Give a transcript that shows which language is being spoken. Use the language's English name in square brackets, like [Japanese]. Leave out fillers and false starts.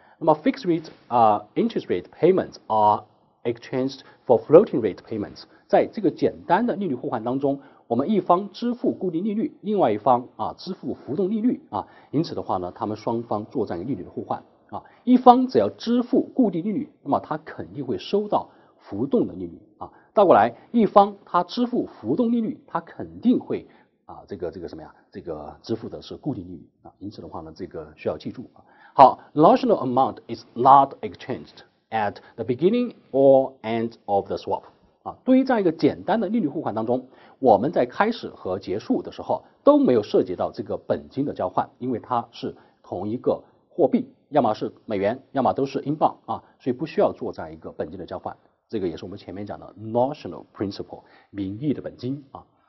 [Chinese] 那么 fixed rate 啊、 [English] interest rate payments are exchanged for floating rate payments， [Chinese] 在这个简单的利率互换当中，我们一方支付固定利率，另外一方啊支付浮动利率啊，因此的话呢，他们双方做这样一个利率的互换啊，一方只要支付固定利率，那么他肯定会收到浮动的利率啊。倒过来，一方他支付浮动利率，他肯定会啊这个什么呀？这个支付的是固定利率啊。因此的话呢，这个需要记住啊。 [English] 好 ，notional amount is not exchanged at the beginning or end of the swap。 [Chinese] 啊，对于这样一个简单的利率互换当中，我们在开始和结束的时候都没有涉及到这个本金的交换，因为它是同一个货币，要么是美元，要么都是英镑啊，所以不需要做这样一个本金的交换。这个也是我们前面讲的 notional principle 名义的本金啊。